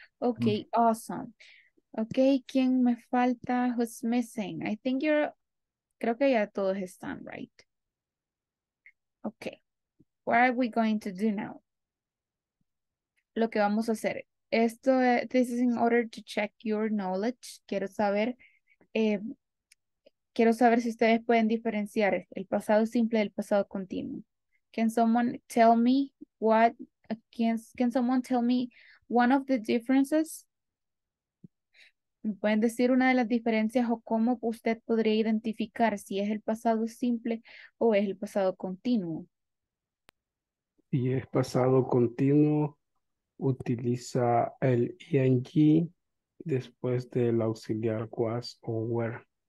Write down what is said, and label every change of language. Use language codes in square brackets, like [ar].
[en] Okay, awesome. Okay, [es] ¿quién me falta? [en] Who's missing? I think you're... [es] Creo que ya todos están, [en] right? Okay. What are we going to do now? [es] Lo que vamos a hacer. Esto, [en] this is in order to check your knowledge. [es] Quiero saber si ustedes pueden diferenciar el pasado simple del pasado continuo. [en] Can someone tell me one of the differences? [es] ¿Pueden decir una de las diferencias o cómo usted podría identificar si es el pasado simple o es el pasado continuo? Y es pasado continuo. Utiliza el ing después del auxiliar was o were.